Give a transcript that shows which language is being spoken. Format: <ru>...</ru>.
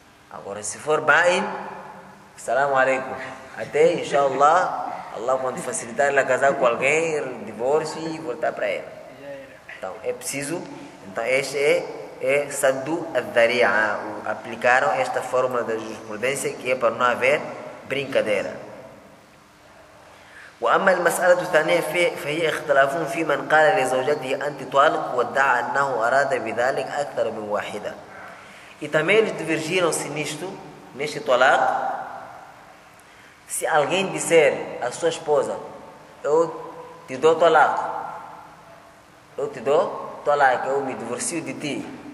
<pt>Agora, se for ba'in,</pt> <ar>salamu alaikum.</ar> <pt>Até, inshallah, Allah quando facilitar ele a casar com alguém, divórcio e voltar para ela. Então, é preciso. Então, este é Saddu al-Dhari'a. Aplicaram esta fórmula da jurisprudência, que é para não haver brincadeira.</pt> <ar>وأما المسألة الثانية فهي اختلاف في من قال لزوجته أنت طالق وادعى أنه أراد بذلك أكثر من واحدة.</ar> <pt>E também eles divergiram-se nisto, neste talaq. Se alguém disser à sua esposa, eu te dou talaq, eu te dou talaq, eu me divorcio de ti.</pt>